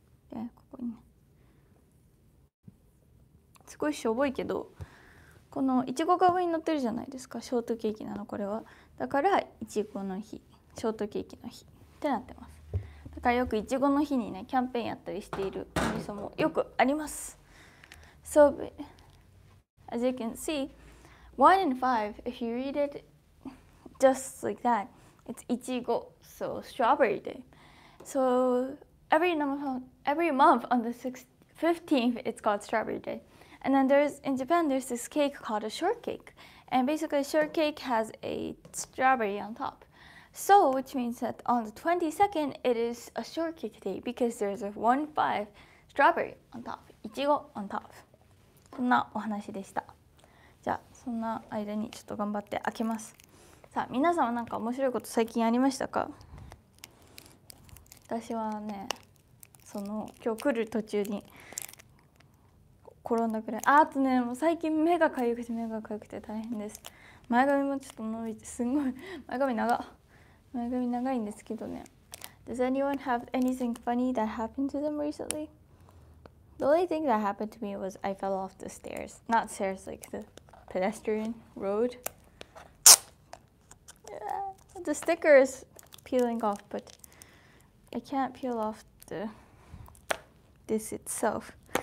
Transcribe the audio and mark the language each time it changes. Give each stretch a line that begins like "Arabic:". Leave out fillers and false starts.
Japanese: で、ここにね、すごいしょぼいけど、このいちごが上に乗ってるじゃないですか、ショートケーキなの、これは。だからいちごの日、ショートケーキの日ってなってます。だからよくいちごの日にねキャンペーンやったりしているお店もよくあります。
English: So as you can see, 1 and 5 if you read it just like that, it's いちご、 so strawberry day. So every month on the 15th it's called strawberry day. And then there's in Japan there's this cake called a shortcakeAnd basically, shortcake has a strawberry on top. So, which means that on the 22nd, it is a shortcake day because there's a 1-5 strawberry on top. いちご on top.
Japanese: そんなお話でした。じゃあ、そんな間にちょっと頑張って開けます。さあ皆さんは何か面白いこと最近ありましたか？私はね、その今日来る途中に転んだくらい、あとね、もう最近目が痒くて大変です。前髪もちょっと伸びて、すごい前髪長いんですけどね。
English: Does anyone have anything funny that happened to them recently? The only thing that happened to me was I fell off the stairs. Not stairs, like the pedestrian road. The sticker is peeling off, but I can't peel off the this itself.